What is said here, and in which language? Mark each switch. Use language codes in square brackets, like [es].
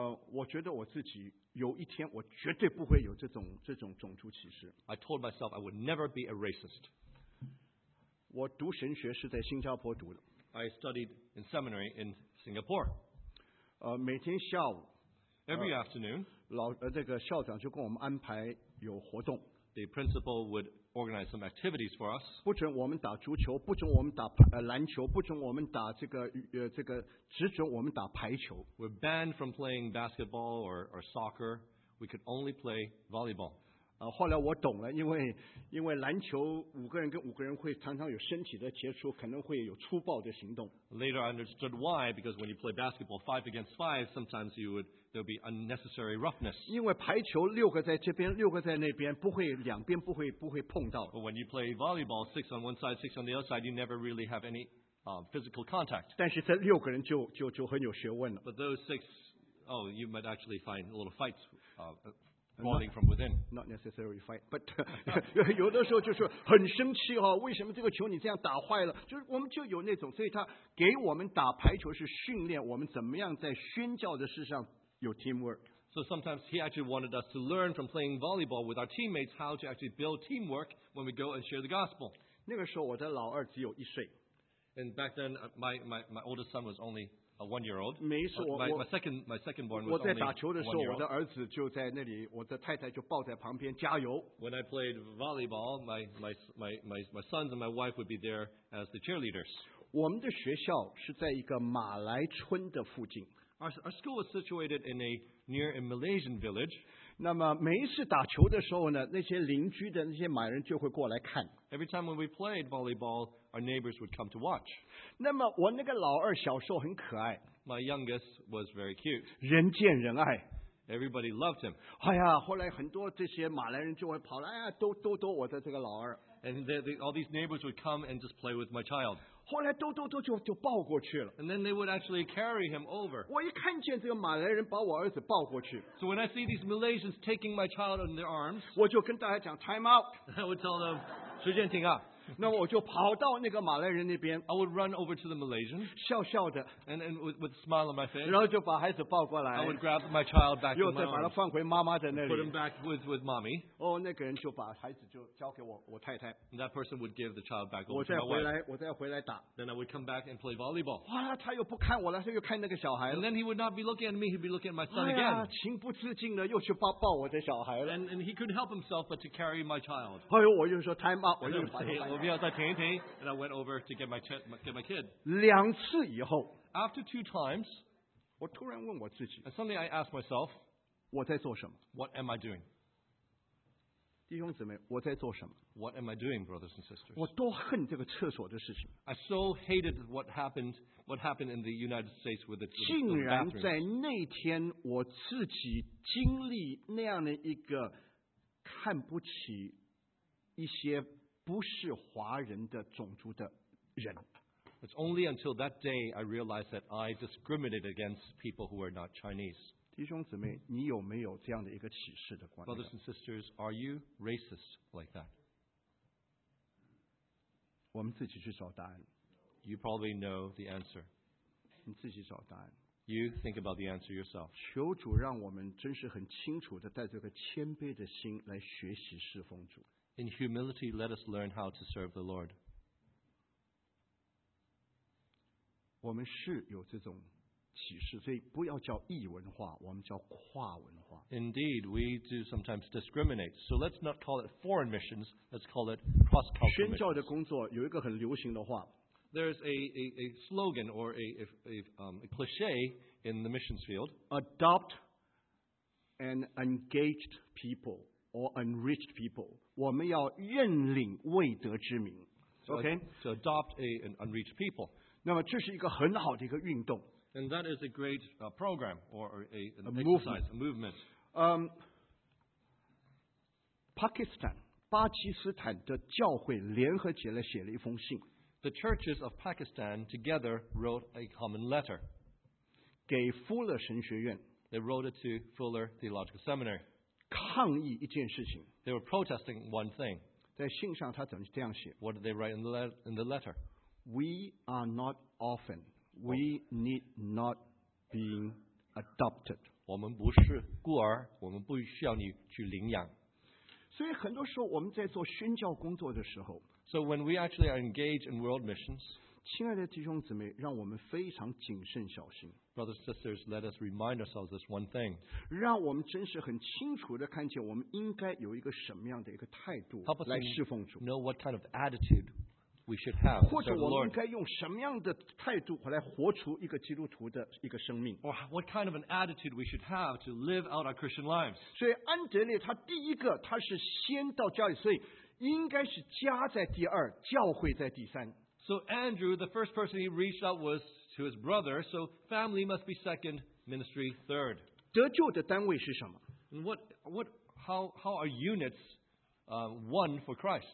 [zh] 我觉得我自己有一天我绝对不会有这种种族歧视。 [en] I told myself I would never be a racist. [zh] 我读神学是在新加坡读的。 [en] I studied in seminary in Singapore. [zh] 每天下午。 [en] Every afternoon. [zh] 老这个校长就跟我们安排有活动。 [en] the principal would organize some activities for us. [zh] 不准我们打足球，不准我们打篮球，不准我们打这个这个，只准我们打排球。 [en] We're banned from playing basketball or soccer. We could only play volleyball. [zh] 后来我懂了，因为篮球五个人跟五个人会常常有身体的接触，可能会有粗暴的行动。 [en] Later, I understood why. Because when you play basketball five against five, sometimes you would there be unnecessary roughness. [zh] 因为排球六个在这边，六个在那边，不会两边不会碰到。 [en] But when you play volleyball, six on one side, six on the other side, you never really have any physical contact. [zh] 但是这六个人就很有学问了。 [en] But those six, oh, you might actually find a little fights. Falling from within. Not necessarily fight, but [zh] 有的时候就是很生气哦，为什么这个球你这样打坏了？就是我们就有那种，所以他给我们打排球是训练我们怎么样在宣教的事上有 teamwork. [en] So sometimes he actually wanted us to learn from playing volleyball with our teammates how to actually build teamwork when we go and share the gospel. [zh] 那个时候我的老二只有一岁。 [en] And back then, my oldest son was only a one-year old. [zh] 没事，我 [en] my second born was only [zh] 我在打球的时候，我的儿子就在那里，我的太太就抱在旁边加油。 [en] When I played volleyball, my sons and my wife would be there as the cheerleaders. [zh] 我们的学校是在一个马来村的附近。 [en] Our school was situated in a near a Malaysian village. [zh] 那么每一次打球的时候呢，那些邻居的那些马来人就会过来看。 [en] Every time when we played volleyball, our neighbors would come to watch. [zh] 那么我那个老二小时候很可爱。 [en] My youngest was very cute. [zh] 人见人爱。 [en] Everybody loved him. [zh] 哎呀，后来很多这些马来人就会跑来，哎呀，逗我的这个老二。 [en] And all these neighbors would come and just play with my child. [zh] 后来逗就抱过去了。 [en] And then they would actually carry him over. [zh] 我一看见这个马来人把我儿子抱过去。 [en] So when I see these Malaysians taking my child in their arms, [zh] 我就跟大家讲 [en] time out. I would tell them, [zh] 时间停啊。那我就跑到那个马来人那边 [en] I would run over to the Malaysian [zh] 笑笑的 [en] and with a smile on my face [zh] 然后就把孩子抱过来 [en] I would grab my child back to my arms [zh] 又再把他放回妈妈的那里 [en] put him back with mommy [zh] 哦，那个人就把孩子就交给我太太 [en] and that person would give the child back over [zh] 我再回来打 [en] then I would come back and play volleyball [zh] 哇，他又不看我了他又看那个小孩了 [en] and then he would not be looking at me he'd be looking at my son again [zh] 哎呀，情不自禁的又去抱我的小孩了 [en] and he couldn't help himself but to carry my child [zh] 哎呦，我就说 [en] time out [zh] 我就把他我不要再停一停 [en] and I went over to get my kid. [zh] 两次以后 [en] after two times, [zh] 我突然问我自己 [en] and suddenly I asked myself, [zh] 我在做什么 [en] What am I doing? [zh] 弟兄姊妹，我在做什么 [en] What am I doing, brothers and sisters? [zh] 我多恨这个厕所的事情 [en] I so hated what happened in the United States with the bathroom. [zh] 竟然在那天我自己经历那样的一个看不起一些不是华人的种族的人。 [en] It's only until that day I realized that I discriminated against people who are not Chinese. [zh] 弟兄姊妹，你有没有这样的一个启示的观点 [en] ？Brothers and sisters, are you racist like that? [zh] 我们自己去找答案。 [en] You probably know the answer. [zh] 你自己找答案。 [en] You think about the answer yourself. [zh] 求主让我们真是很清楚的带着个谦卑的心来学习侍奉主。 [en] In humility, let us learn how to serve the Lord. [zh] 我们是有这种启示，所以不要叫异文化，我们叫跨文化。 [en] Indeed, we do sometimes discriminate. So let's not call it foreign missions. Let's call it cross-cultural missions. [zh] 宣教的工作有一个很流行的话。 [en] There's a slogan or a cliche in the missions field. Adopt an engaged people. Or enriched people. [zh] 我们要认领未得之民 OK? [en] To adopt an unreached people. [zh] 那么这是一个很好的一个运动 [en] And that is a great program or a movement. [zh] Pakistan, 巴基斯坦的教会联合起来写了一封信 [en] The churches of Pakistan together wrote a common letter. [zh] 给富勒神学院 [en] They wrote it to Fuller Theological Seminary. [zh] 抗议一件事情。 [en] They were protesting one thing. [zh] 在信上他怎么这样写 [en] ？What did they write in the letter? We are not orphan. We need not being adopted. [zh] 我们不是孤儿，我们不需要你去领养。所以很多时候我们在做宣教工作的时候 [en] ，So when we actually are engaged in world missions， [zh] 亲爱的弟兄姊妹，让我们非常谨慎小心。 [en] Brothers and sisters, let us remind ourselves this one thing. [zh] 让我们真是很清楚地看见我们应该有一个什么样的一个态度来侍奉主。 [en] Know what kind of attitude we should have. [zh] 或者我们应该用什么样的态度来活出一个基督徒的一个生命。 [en] Or what kind of an attitude we should have to live out our Christian lives. [zh] 所以安德烈他第一个，他是先到家里，所以应该是家在第二，教会在第三。 [en] So Andrew, the first person he reached out was to his brother, so family must be second, ministry third. [zh] 得救的单位是什么？ [en] And how are units one for Christ?